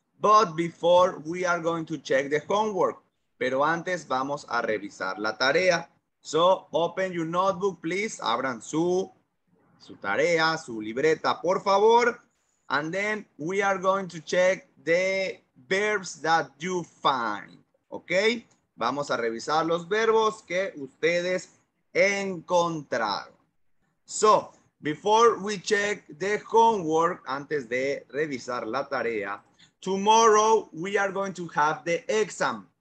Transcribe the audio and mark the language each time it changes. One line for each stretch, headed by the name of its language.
English: But before, we are going to check the homework.
Spanish: Pero antes, vamos a revisar la tarea.
English: So, open your notebook, please.
Spanish: Abran su tarea, su libreta, por favor.
English: And then we are going to check the verbs that you find. Ok.
Spanish: Vamos a revisar los verbos que ustedes encontraron.
English: So, before we check the homework,
Spanish: antes de revisar la tarea,
English: tomorrow we are going to have the exam.